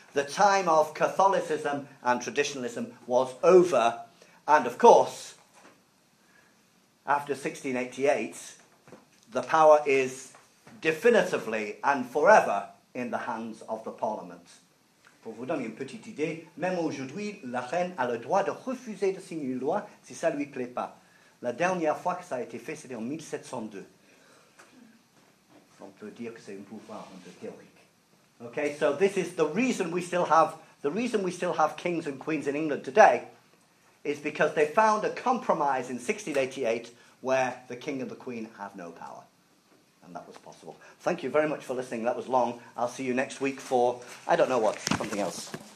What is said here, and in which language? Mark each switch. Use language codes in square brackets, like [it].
[en] The time of Catholicism and traditionalism was over. And of course, after 1688, the power is definitively and forever in the hands of the Parliament. [fr] Pour vous donner une petite idée, même aujourd'hui, la reine a le droit de refuser de signer une loi si ça lui plaît pas. La dernière fois que ça a été fait, c'était en 1702. On peut dire que c'est un pouvoir un peu théorique. [en] Okay, so this is the reason we still have kings and queens in England today is because they found a compromise in 1688 where the king and the queen have no power. And that was possible. Thank you very much for listening. That was long. I'll see you next week for, I don't know what, something else.